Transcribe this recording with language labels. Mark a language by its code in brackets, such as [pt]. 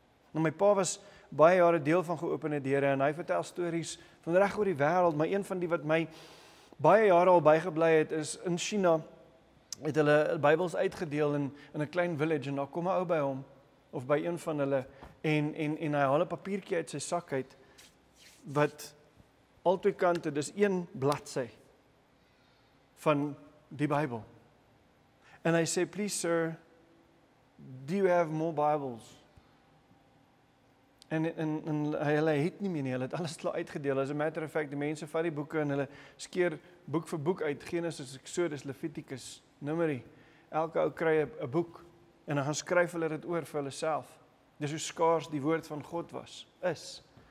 [af] Nou my pa was baie jare deel van Geopende Deure, en hy vertel stories van reg oor die wêreld, maar een van die wat my baie jare al bygebly het, is in China het hulle Bybels uitgedeel in 'n klein village, en daar kom 'n ou by hom, of by een van hulle, en hy haal 'n papiertjie uit sy sak uit, wat al twee kante, dis een bladsy van die Bybel. En hy sê, [en] please sir, do you have more Bibles? [af] En hulle het nie meer nie, hulle het alles klaar uitgedeel. [en] As a matter of fact, [af] die mense vat die boeke en hulle skeer boek vir boek uit, Genesis, Exodus, Leviticus, Numeri, elke ou kry 'n boek, en dan gaan skryf hulle dit oor vir hulle self. Dis hoe skaars die woord van God is.